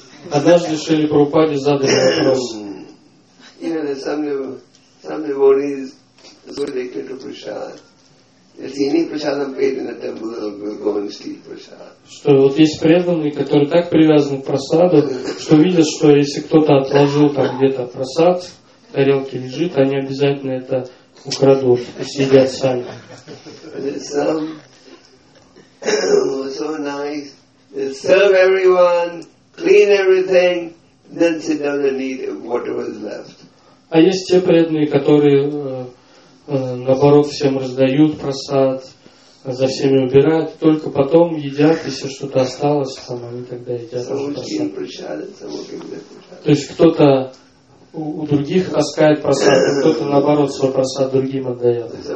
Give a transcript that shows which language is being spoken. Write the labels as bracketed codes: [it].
[ru] Однажды Шрила Прабхупаде задали вопрос. [en] You know, some devotees is addicted to prasad. [ru] Что вот есть преданные, которые так привязаны к прасаду, что видят, что если кто-то отложил там где-то прасад, тарелки лежит, они обязательно это украдут и съедят сами. [en] So nice. Serve everyone, clean everything, then sit down and eat whatever is left. [ru] А есть те преданные, которые наоборот, всем раздают просад, за всеми убирают, только потом едят, если что-то осталось, там, они тогда едят. То есть кто-то у других таскает просад, кто-то наоборот свой просад другим отдает.